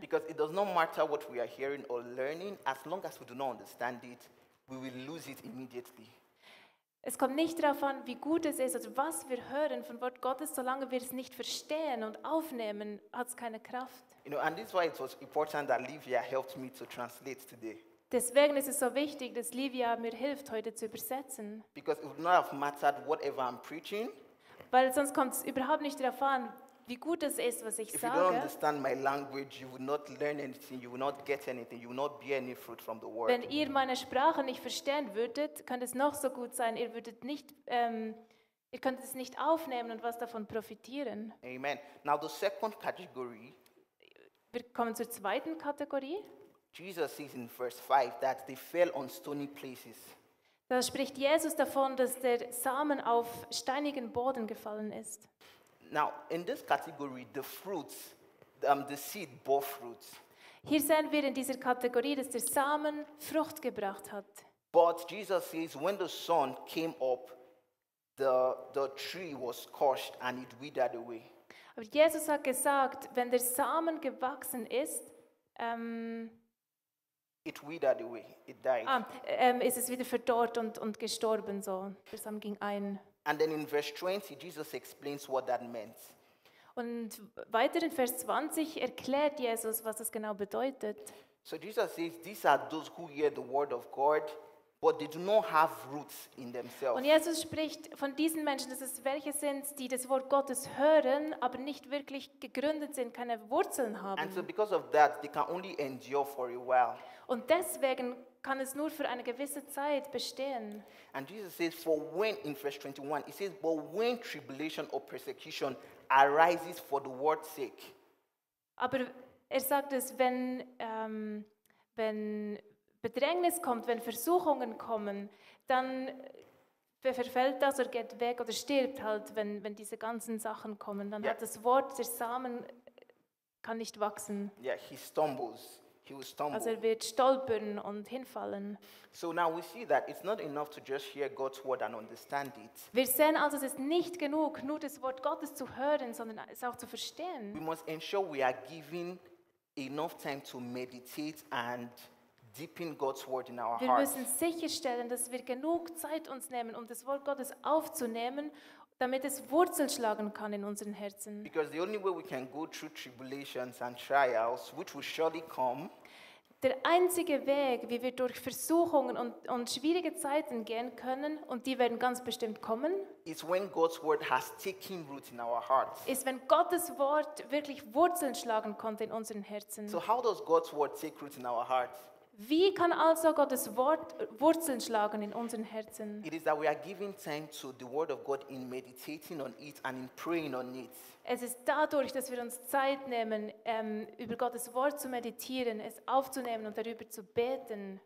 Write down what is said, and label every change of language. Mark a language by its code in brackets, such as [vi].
[en] Because it does not matter what we are hearing or learning, as long as we do not understand it, we will lose it immediately. [de] Es kommt nicht darauf an, wie gut es ist oder was wir hören von Wort Gottes, solange wir es nicht verstehen und aufnehmen, hat es keine Kraft. [en] You know, and this is why it was important that Livia helped me to translate today. [de] Deswegen ist es so wichtig, dass Livia mir hilft, heute zu übersetzen. [en] Because it would not have mattered whatever I'm preaching. [de] Weil sonst kommt es überhaupt nicht darauf an, wie gut es ist, was ich [en] If [de] sage. [en] If you don't understand my language, you will not learn anything, you will not get anything, you will not bear any fruit from the word. [de] Wenn ihr meine Sprache nicht verstehen würdet, könnte es noch so gut sein, ihr könntet es nicht aufnehmen und was davon profitieren. [en] Amen. Now the second category. [de] Wir kommen zur zweiten Kategorie. [en] Jesus says in verse 5 that they fell on stony places. [de] Da spricht Jesus davon, dass der Samen auf steinigen Boden gefallen ist. [en] Now, in this category, the fruits, the seed bore fruits. [de] Hier sehen wir in dieser Kategorie, dass der Samen Frucht gebracht hat. [en] But Jesus says, when the sun came up, the tree was scorched and it withered away. [de] Aber Jesus hat gesagt, wenn der Samen gewachsen ist, [en] It withered away. It died. [de] Es ist wieder verdorrt und gestorben so. Das ging ein. [en] And then in verse 20, Jesus explains what that meant. [de] Und weiter in Vers 20 erklärt Jesus, was das genau bedeutet. [en] So Jesus says, these are those who hear the word of God, but they do not have roots in themselves. [de] Und Jesus spricht von diesen Menschen, dass es welche sind, die das Wort Gottes hören, aber nicht wirklich gegründet sind, keine Wurzeln haben. [en] And so because of that, they can only endure for a while. [de] Und deswegen kann es nur für eine gewisse Zeit bestehen. [en] And Jesus says, for when, in verse 21, he says, but when tribulation or persecution arises for the word's sake. [de] Aber er sagt es, wenn wenn Bedrängnis kommt, wenn Versuchungen kommen, dann verfällt das oder geht weg oder stirbt halt, wenn diese ganzen Sachen kommen, dann hat das Wort, der Samen kann nicht wachsen. [en] Yeah, he stumbles. He will stumble. [de] Also er wird stolpern und hinfallen. [en] So now we see that it's not enough to just hear God's word and understand it. [de] Wir sehen also, es ist nicht genug, nur das Wort Gottes zu hören, sondern es auch zu verstehen. [en] We must ensure we are given enough time to meditate and deepen God's word in our hearts. [de] Wir müssen sicherstellen, dass wir genug Zeit uns nehmen, um das Wort Gottes aufzunehmen, damit es Wurzeln schlagen kann in unseren Herzen. [en] Because the only way we can go through tribulations and trials, which will surely come, [de] der einzige Weg, wie wir durch Versuchungen und schwierige Zeiten gehen können, und die werden ganz bestimmt kommen, [en] is when God's word has taken root in our hearts. [de] Ist wenn Gottes Wort wirklich Wurzeln schlagen konnte in unseren Herzen. [en] So how does God's word take root in our hearts? [de] Wie kann also Gottes Wort Wurzeln schlagen in unseren Herzen? [en] It is that we are giving time to the word of God in meditating on it and in praying on it. [de] Es ist dadurch, dass wir uns Zeit nehmen, über Gottes Wort zu meditieren, es aufzunehmen und darüber zu beten.